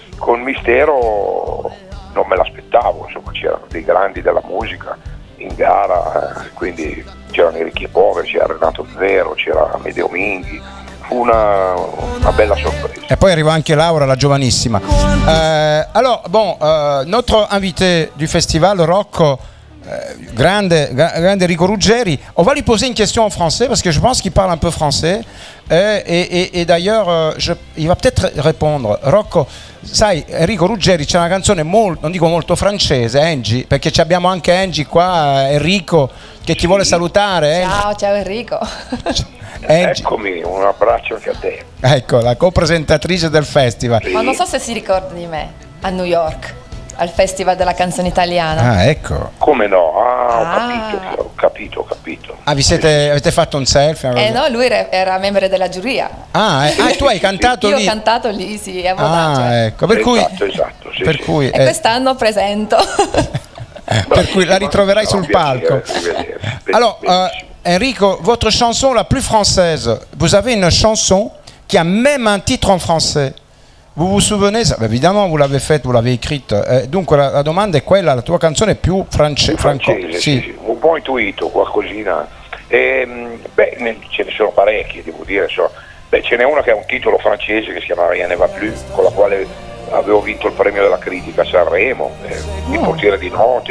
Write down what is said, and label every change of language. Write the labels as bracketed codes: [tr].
[it] Con Mistero non me l'aspettavo, insomma, c'erano dei grandi della musica in gara, quindi c'erano i ricchi e poveri, c'era Renato Zero, c'era Amedeo Minghi, fu una bella sorpresa. E poi arrivò anche Laura, la giovanissima. [fr] Allora, nostro invité du festival Rocco, grande Enrico Ruggeri, on va lui poser une question en français parce que je pense qu'il parle un peu français, et d'ailleurs il va peut-être répondre. [it] Rocco, sai, Enrico Ruggeri c'è una canzone molto, non dico molto francese, Angie, perché ci abbiamo anche Angie qua, Enrico, che ti vuole salutare. Ciao Enrico. Eccomi, un abbraccio anche a te. Ecco, la co-presentatrice del festival. Ma non so se si ricorda di me a New York al Festival della Canzone Italiana. Ah, ecco. Come no? Ho capito. Ah, avete fatto un selfie? Eh no, lui era membro della giuria. Tu hai cantato io lì? Io ho cantato lì, sì. Ecco. Per cui, e quest'anno presento. Per cui la ritroverai sul palco. [fr] Allora, Enrico, votre chanson la plus française. Vous avez une chanson qui a même un titre en français. Vous vous souvenez? Évidemment, vous l'avez faite, vous l'avez écrite. [it] Dunque, la domanda è quella: la tua canzone è più francese? Sì. Sì, un po' intuito, qualcosina. Ce ne sono parecchie, devo dire. Ce n'è una che ha un titolo francese che si chiama Rien ne va plus, con la quale avevo vinto il premio della critica a Sanremo, Il portiere di notte.